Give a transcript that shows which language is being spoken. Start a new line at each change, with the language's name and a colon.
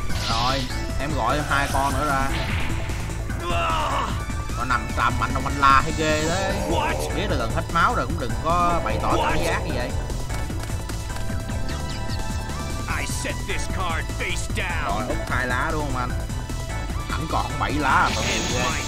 Vietnamese: Rồi, em gọi hai con nữa ra. Nó nằm tạm mạnh không anh la hay ghê đấy. Biết là gần hết máu rồi, cũng đừng có bày tỏ cảm giác như vậy.
English: I set this card face down.
Vietnamese: Rồi, hút hai lá đúng không anh? Hẳn còn 7 lá là tội nghiệp ghê.